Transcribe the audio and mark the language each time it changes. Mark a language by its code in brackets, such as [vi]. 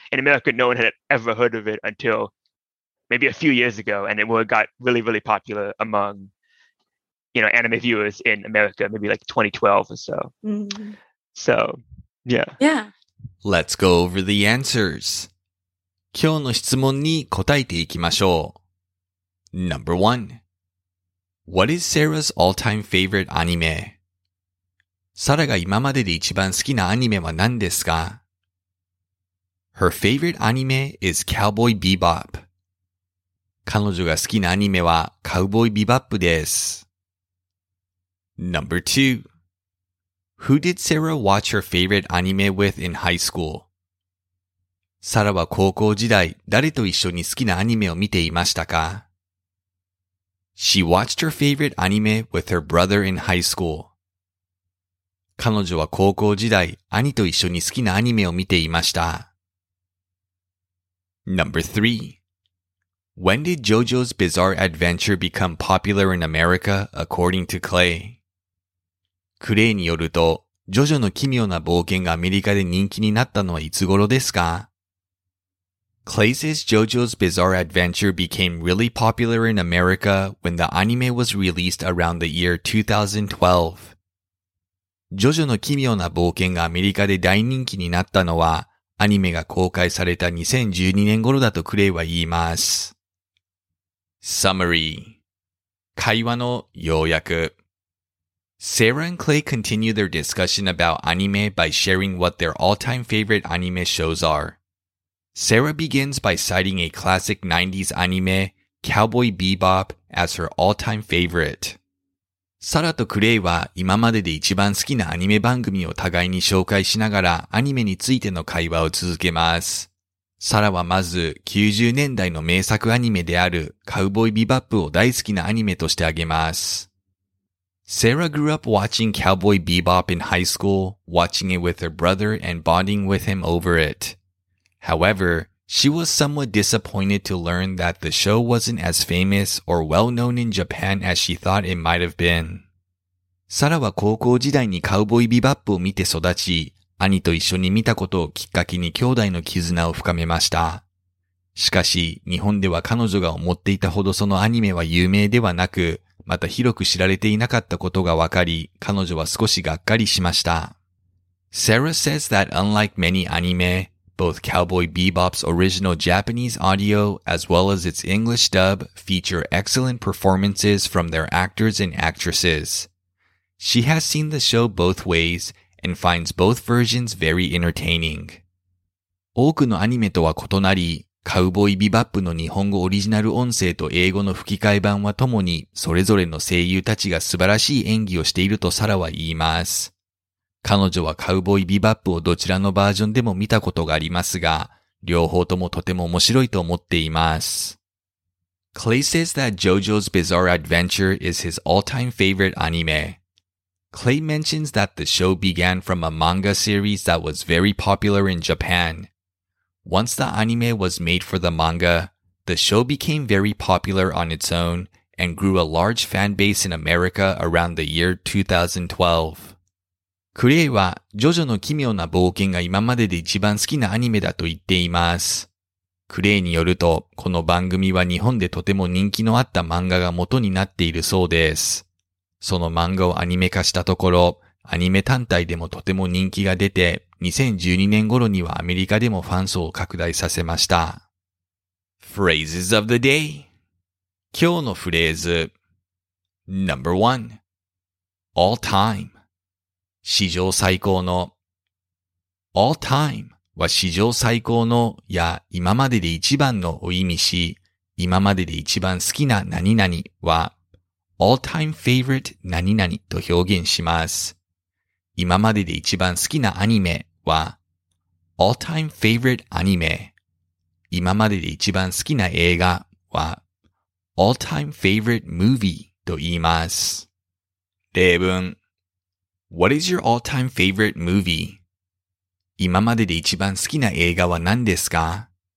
[en] In America, no one had ever heard of it until maybe a few years ago. And it got really, really popular among, you know, anime viewers in America, maybe like 2012 or so. Mm-hmm. So, yeah. Yeah. Let's go over the answers. [ja] 今日の質問に答えていきましょう。 [en] Number 1. What is Sarah's all-time favorite anime? [ja] サラが今までで一番好きなアニメは何ですか? [en] Her favorite anime is Cowboy Bebop. [ja] 彼女が好きなアニメは Cowboy Bebop です。 [en] Number 2. Who did Sarah watch her favorite anime with in high school? [ja] サラは高校時代、誰と一緒に好きなアニメを見ていましたか? [en] She watched her favorite anime with her brother in high school. [ja] 彼女は高校時代、兄と一緒に好きなアニメを見ていました。 [en] Number 3. When did JoJo's Bizarre Adventure become popular in America, according to Clay? [ja] クレイによると、ジョジョの奇妙な冒険がアメリカで人気になったのはいつ頃ですか? [en] Clay says JoJo's Bizarre Adventure became really popular in America when the anime was released around the year 2012. [ja] JoJo の奇妙な冒険がアメリカで大人気になったのはアニメが公開された2012年頃だとクレイは言います。 [en] Summary [ja] 会話の要約 [en] Sarah and Clay continue their discussion about anime by sharing what their all-time favorite anime shows are. Sarah begins by citing a classic 90s anime, Cowboy Bebop, as her all-time favorite. [ja] Sarah とクレイは今までで一番好きなアニメ番組を互いに紹介しながらアニメについての会話を続けます。 Sarah はまず90年代の名作アニメである Cowboy Bebop を大好きなアニメとしてあげます。 [en] Sarah grew up watching Cowboy Bebop in high school, watching it with her brother and bonding with him over it. However, she was somewhat disappointed to learn that the show wasn't as famous or well-known in Japan as she thought it might have been. [ja] サラは高校時代にカウボーイビバップを見て育ち、兄と一緒に見たことをきっかけに兄弟の絆を深めました。しかし、日本では彼女が思っていたほどそのアニメは有名ではなく、また広く知られていなかったことがわかり、彼女は少しがっかりしました。 [en] Sarah says that unlike many anime,Both Cowboy Bebop's original Japanese audio as well as its English dub feature excellent performances from their actors and actresses. She has seen the show both ways and finds both versions very entertaining. [ja] 多くのアニメとは異なり、カウボーイビバップの日本語オリジナル音声と英語の吹き替え版はともに、それぞれの声優たちが素晴らしい演技をしているとサラは言います。彼女はカウボーイビバップをどちらのバージョンでも見たことがありますが、両方ともとても面白いと思っています。 [en] Clay says that JoJo's Bizarre Adventure is his all-time favorite anime. Clay mentions that the show began from a manga series that was very popular in Japan. Once the anime was made for the manga, the show became very popular on its own and grew a large fan base in America around the year 2012. [ja] クレイはジョジョの奇妙な冒険が今までで一番好きなアニメだと言っています。クレイによると、この番組は日本でとても人気のあった漫画が元になっているそうです。その漫画をアニメ化したところ、アニメ単体でもとても人気が出て、2012年頃にはアメリカでもファン層を拡大させました。 [en] Phrases of the day. [ja] 今日のフレーズ。 [en] Number one. All time. [ja] 史上最高の。 [en] All time [ja] は史上最高のや今までで一番のを意味し、今までで一番好きな何々は、 [en] All time favorite [ja] 何々と表現します。今までで一番好きなアニメは [en] All time favorite anime [ja] 今までで一番好きな映画は [en] All time favorite movie [ja] と言います。例文 [en] What is your all time favorite movie? [ja] 今までで一番好きな映画は何ですか?